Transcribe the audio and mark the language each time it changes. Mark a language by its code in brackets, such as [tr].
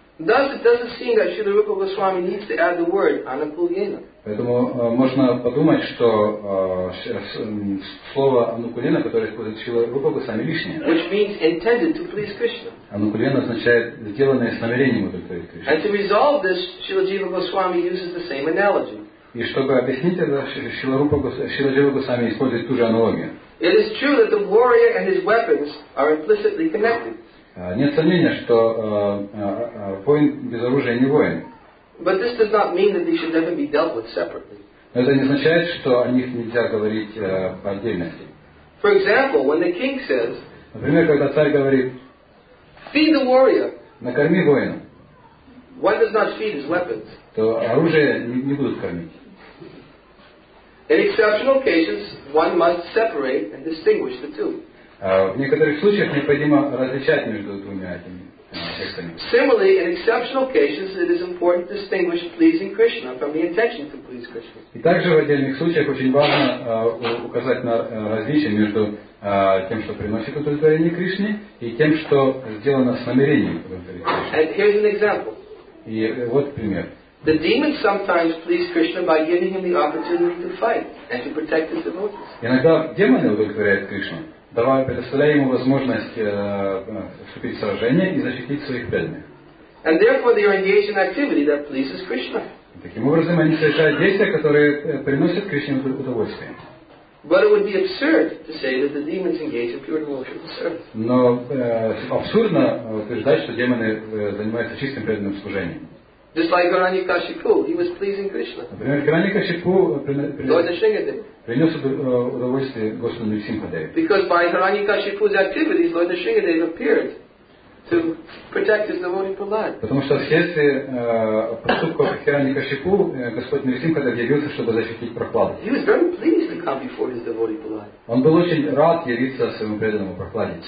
[en] Thus, it doesn't seem that Srila Rupa Goswami needs to add the word Anukulyena. [ru] Поэтому можно подумать, что слово Анукулина, которое использует Srila Rupa Goswami, лишнее. [en] Which means intended to please Krishna. [ru] Анукулина означает сделанное с намерением удовлетворить Кришну. [en] And to resolve this, Srila Jiva Goswami uses the same analogy. [ru] И чтобы объяснить это, Шрила Джива Госвами использует ту же аналогию. [en] It is true that the warrior and his weapons are implicitly connected. [ru] Нет сомнения, что воин без оружия не воин. [en] But this does not mean that they should never be dealt with separately. [ru] Но это не означает, что о них нельзя говорить по отдельности. [en] For example, when the king says, [ru] например, когда царь говорит, [en] feed the warrior. [ru] Накорми воина. [en] One does not feed his weapons. [ru] То оружие не будут кормить. [en] In exceptional cases, one must separate and distinguish the two. [ru] В некоторых случаях необходимо различать между двумя этими аспектами. [en] Similarly, in exceptional cases, it is important to distinguish pleasing Krishna from the intention to please Krishna. [ru] И также в отдельных случаях очень важно указать на различие между тем, что приносит удовлетворение Кришне, и тем, что сделано с намерением удовлетворения Кришне. [en] And here's an example. [ru] И вот пример. [en] The demons sometimes please Krishna by giving him the opportunity to fight and to protect his devotees. [ru] Иногда демоны удовлетворяют Кришну, давая, предоставляя ему возможность вступить в сражение и защитить своих преданных. [en] And therefore they are engaged in activity that pleases Krishna. [ru] Таким образом, они совершают действия, которые приносят Кришне удовольствие. [en] But it would be absurd to say that the demons engage in pure devotional service. [ru] Но абсурдно утверждать, что демоны занимаются чистым преданным служением. [en] Just like Hiranyakashipu, he was pleasing Krishna. [ru] Например, Hiranyakashipu принес удовольствие Господу Нарсимхадеве. [en] Because by Hiranyakashipu's activities, Lord Nrisimhadeva appeared to protect his devotee Prahlad. [ru] Потому что вследствие поступков Hiranyakashipu, Господь Нарсимхадев явился, чтобы защитить Прохлада. [en] He was very pleased to come before his devotee Prahlad. [ru] Он был очень рад явиться своему преданному Прохладе.